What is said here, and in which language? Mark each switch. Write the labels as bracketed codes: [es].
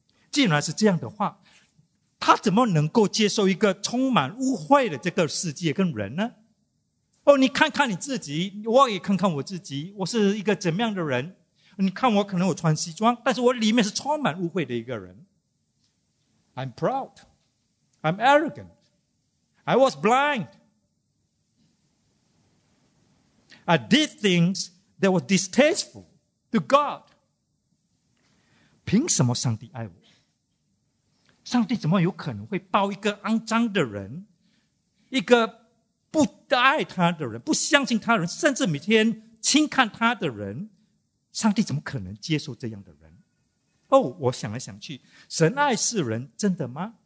[zh] 既然是这样的话，他怎么能够接受一个充满污秽的这个世界跟人呢？哦，你看看你自己，我也看看我自己，我是一个怎么样的人？你看我，可能我穿西装，但是我里面是充满污秽的一个人。 [en] I'm proud, I'm arrogant, I was blind, I did things that was distasteful to God. [zh] 凭什么上帝爱我？上帝怎么有可能会抱一个肮脏的人，一个不爱他的人，不相信他的人，甚至每天轻看他的人，上帝怎么可能接受这样的人？哦，我想来想去，神爱世人真的吗？